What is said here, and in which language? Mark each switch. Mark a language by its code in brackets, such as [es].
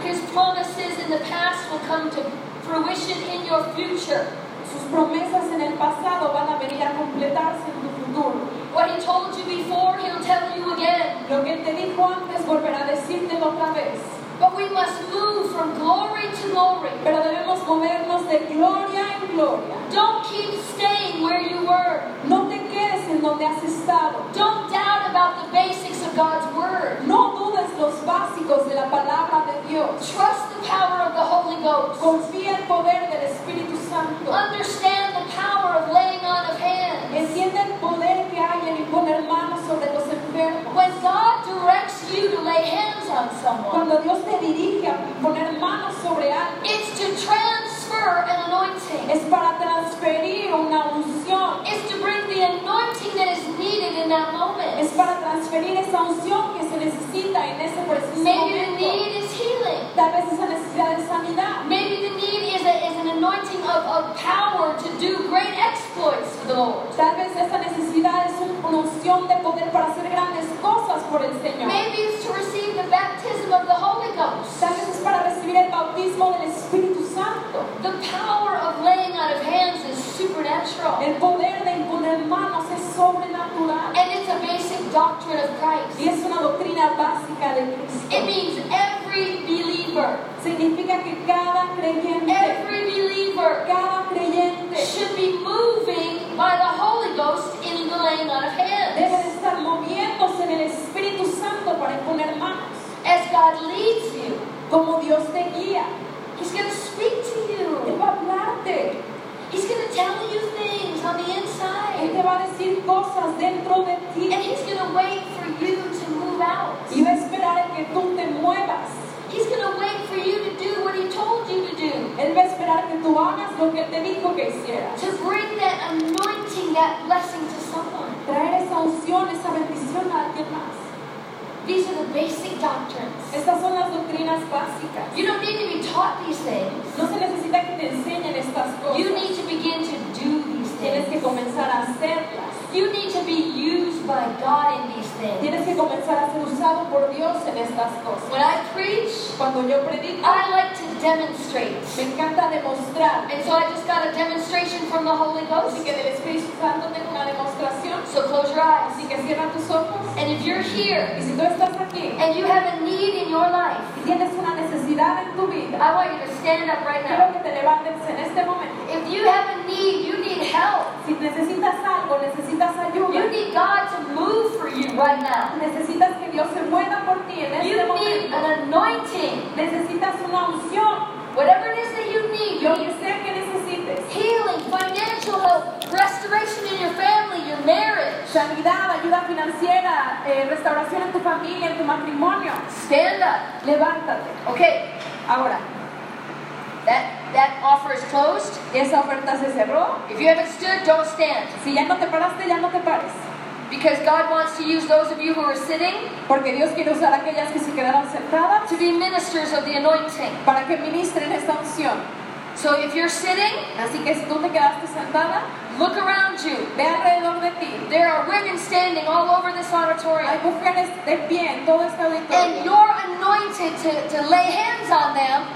[en] His promises in the past will come to fruition in your future. [es] Sus promesas en el pasado van a venir a completarse en tu futuro. [en] What he told you before, he'll tell you again. [es] Lo que te dijo antes, volverá a decirte otra vez. [en] But we must move from glory to glory. [es] Pero debemos movernos de gloria en gloria. [en] Don't keep staying where you were. [es] No te quedes en donde has estado. [en] Don't doubt about the basics of God's word. [es] No dudes los básicos de la palabra de Dios. [en] Trust the power of the Holy Ghost. [es] Confía en el poder del Espíritu Santo. [en] Understand the power of laying on of hands. [es] Entiende el poder que hay en imponer manos sobre los enfermos. [en] When God directs you to lay hands on someone. [es] Dios te dirige a poner manos sobre alguien. [en] It's to transfer an anointing. [es] Es para transferir una unción. [en] It's to bring the anointing that is needed in that moment. [es] Es para transferir esa unción que se necesita en ese preciso [en] Maybe [es] momento. [en] Maybe the need is healing. [es] Tal vez esa necesidad de sanidad. [en] Maybe the need is an anointing of power to do great exploits for the Lord. [es] Tal vez esa necesidad es una unción de poder para hacer grandes cosas por el Señor. [en] Maybe it's to receive the baptism of the Holy Ghost. [es] Tal vez es para recibir el bautismo del Espíritu Santo. [en] The power of laying out of hands is supernatural. [es] El poder de imponer manos es sobrenatural. [en] And it's a basic doctrine of Christ. [es] Y es una doctrina básica de Cristo. [en] It means every believer. [es] Significa que cada creyente, [en] every believer, [es] cada creyente [en] should be moving by the Holy Ghost in the laying out of hands. [es] Debe estar moviéndose en el Espíritu Santo para imponer manos. [en] As God leads you, [es] como Dios te guía, [en] He's going to speak to you. [es] Te va a hablarte. [en] He's going to tell you things on the inside. [es] Él te va a decir cosas dentro de ti. [en] And He's going to wait for you to move out. [es] Y va a esperar a que tú te muevas. [en] He's going to wait for you to do what He told you to do. [es] Él va a esperar que tú hagas lo que te dijo que hicieras. [en] To bring that anointing, that blessing to someone. [es] Traer esa unción, esa bendición a alguien más. [en] These are the basic doctrines. [es] Estas son las doctrinas básicas. [en] You don't need to be taught these things. [es] No se necesita que te enseñen estas cosas. [en] You need to begin to do these things. [es] Tienes que comenzar a hacerlas. [en] You need to be used by God in these things. [es] Tienes que comenzar a ser usado por Dios en estas cosas. [en] When I preach, [es] cuando yo predico, [en] I like to demonstrate. [es] Me encanta demostrar. [en] And so I just got a demonstration from the Holy Ghost. [es] Así que del Espíritu Santo tengo una demostración. [en] So close your eyes. [es] Así que cierra tus ojos. [en] And if you're here, [es] y si tú estás aquí, [en] and you have a need in your life, [es] y tienes una necesidad en tu vida, [en] I want you to stand up right now. [es] Quiero que te levantes en este momento. [en] If you have a need, you need help. [es] Si necesitas algo, necesitas ayuda. [en] You need God to move for you right now. [es] Necesitas que Dios se mueva por ti en este momento. [en] You need an anointing. [es] Necesitas una unción. [en] Whatever it is that you need, [es] lo que sea que necesites. [en] Healing, financial help, restoration in your family, your marriage. [es] Sanidad, ayuda financiera, restauración en tu familia, en tu matrimonio. [en] Stand up. [es] Levántate. [en] Okay. [es] Ahora. [en] That offer is closed. [es] Esa oferta se cerró. [en] If you haven't stood, don't stand. [es] Si ya no te paraste, ya no te pares. [en] Because God wants to use those of you who are sitting, [es] porque Dios quiere usar aquellas que se quedaron sentadas, [en] to be ministers of the anointing, [es] para que ministren esta unción. [en] So if you're sitting, [es] así que si tú te quedaste sentada, [en] look around you. [es] Ve alrededor de ti. [en] There are women standing all over this auditorium. [es] Hay mujeres de pie en todo este auditorio. [en] And you're anointed to lay hands on them